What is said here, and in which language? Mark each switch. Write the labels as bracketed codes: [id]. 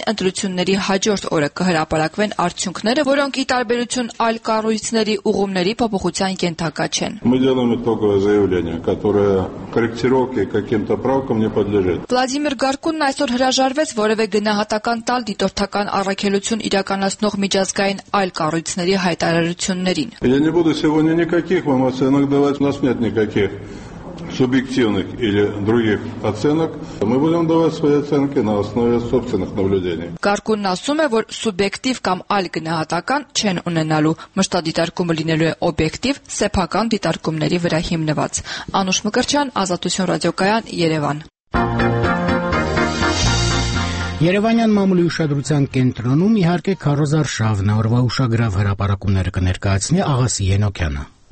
[hy] ընտրությունների հաջորդ օրը կհրապարակվեն արդյունքները, որոնք ի տարբերություն այլ կառույցների ուղումների փոփոխության ենթակա չեն։ Վլադիմիր Գարկունն այսօր հրաժարվեց որևէ գնահատական տալ դիտորդական առաքելություն իրականացնող միջազգային այլ կառույցների հայտարարություններին։ [ru] Я не буду сегодня никаких вам оценок давать, у нас нет никаких субъективных или других оценок. Мы будем давать свои оценки на основе собственных наблюдений. [hy] Գարկունն ասում է, որ սուբյեկտիվ կամ այլ գնահատական չեն ունենալու, մշտադիտարկումը լինելու է օբյեկտիվ, սեփական դիտարկումների վրա հիմնված։ Անուշ Մկրչյան, Ազատություն Ռադիոկայան, Երևան։ Երևանյան մամուլի ուշադրության կենտրոնում իհարկե քարոզարշավն է, որվա ուշագրավ հրապարակումները կներկայացնի Աղասի Ենոքյանը։